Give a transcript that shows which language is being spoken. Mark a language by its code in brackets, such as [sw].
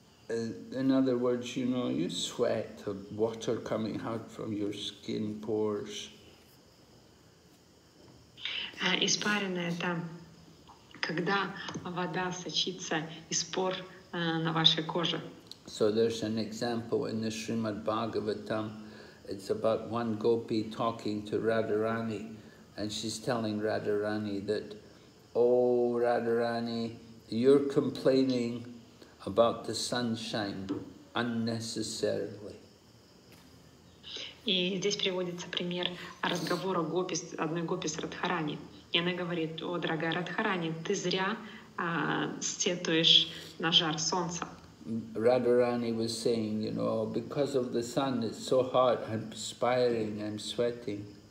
[en] In other words, you know, you sweat, water coming out from your skin pores. [ru] Испарина — это когда вода сочится из пор на вашей коже. [en] So there's an example in the Srimad Bhagavatam. It's about one gopi talking to Radharani, and she's telling Radharani that, oh, Radharani, you're complaining about the sunshine unnecessarily. [ru] И здесь приводится пример разговора гопи, одной гопи с Радхарани. И она говорит: о, дорогая Радхарани, ты зря сетуешь на жар солнца. [en] Radharani was saying, you know, because of the sun, it's so hot, I'm perspiring, I'm sweating.